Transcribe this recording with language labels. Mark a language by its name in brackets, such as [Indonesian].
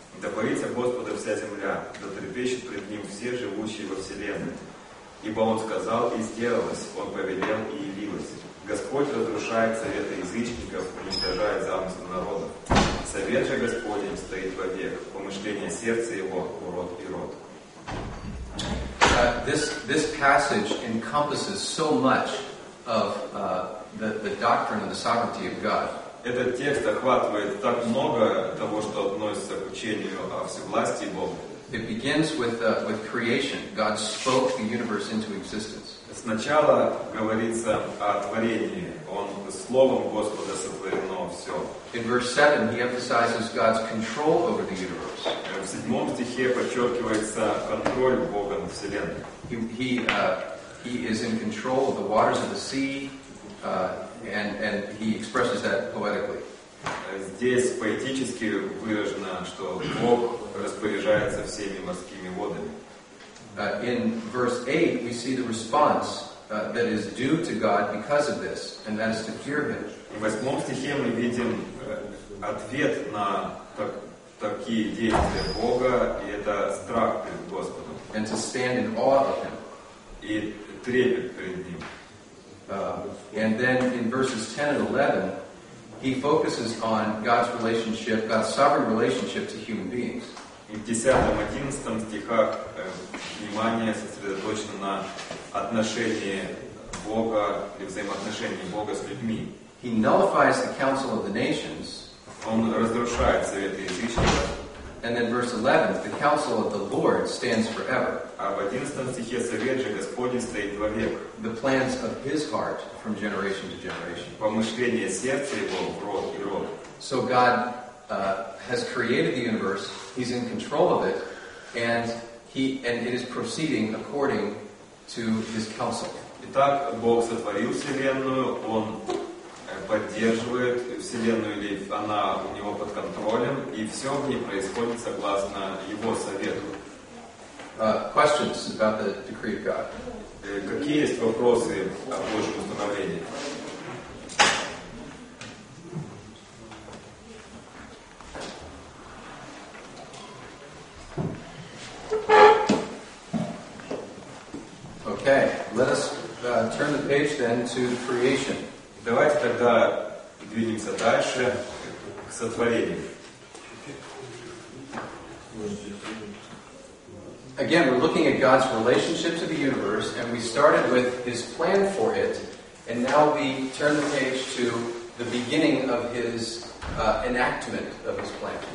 [Russian] Да боится Господа вся земля, да трепещут пред Ним все живущие во вселенной. Ибо Он сказал, и сделалось, Он повелел, и явилось». Господь разрушает советы язычников, уничтожает замыслы народов. Совет же Господень стоит вовек, помышление сердца Его в рот и рот. [English] This passage encompasses so much of the doctrine of the sovereignty of God. [Russian] Этот текст охватывает так много того, что относится к учению о всевластии Бога. [English] It begins with creation. God spoke the universe into existence. [Russian] Сначала говорится о творении. Он словом Господа сотворено все. [English] In verse 7, he emphasizes God's control over the universe. [Russian] В 7 стихе подчеркивается контроль Бога над вселенной. [English] He is in control of the waters of the sea, and he expresses that poetically. [Russian] Здесь поэтически выражено, что Бог распоряжается всеми морскими водами. [English] In verse 8, we see the response that is due to God because of this, and that is to fear Him. [Russian] В 8 стихе мы видим ответ на такие действия Бога, и это страх перед Господом. [English] And to stand in awe of Him. [Russian] И трепет перед Ним. [English] And then in verses 10 and 11, He focuses on God's relationship, God's sovereign relationship to human beings. [Russian] И в 10-11 стихах внимание сосредоточено на отношении Бога или взаимоотношении Бога с людьми. [English] He nullifies the council of the nations. [Russian] Он разрушает советы язычников. [English] And then verse 11, the council of the Lord stands forever. [Russian] А в 11 стихе совет же Господень стоит вовек. [English] The plans of His heart from generation to generation. [Russian] Помышления сердца Его в род и род. [English] So God has created the universe, He's in control of it, and it is proceeding according to His counsel. [Russian] Итак, Бог сотворил вселенную, Он поддерживает вселенную, или она у Него под контролем, и все в ней происходит согласно Его совету. [English] Questions about the decree of God. [Russian] Какие есть вопросы о Божьем установлении? [English] Okay, let us turn the page then to creation. [Russian] Давайте тогда двинемся дальше к сотворению. [English] Again, we're looking at God's relationship to the universe, and we started with His plan for it, and now we turn the page to the beginning of His enactment of His plan.